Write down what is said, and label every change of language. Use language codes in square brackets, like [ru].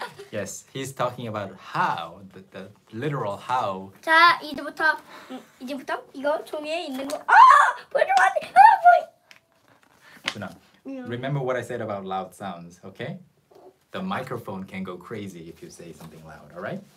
[en] Yes, he's talking about how, the literal how. [ko] 자, 이제부터 이거 종이에 있는 거. 아, 보지 마. 아, 보이. [en] So now, remember what I said about loud sounds, okay? The microphone can go crazy if you say something loud, all right?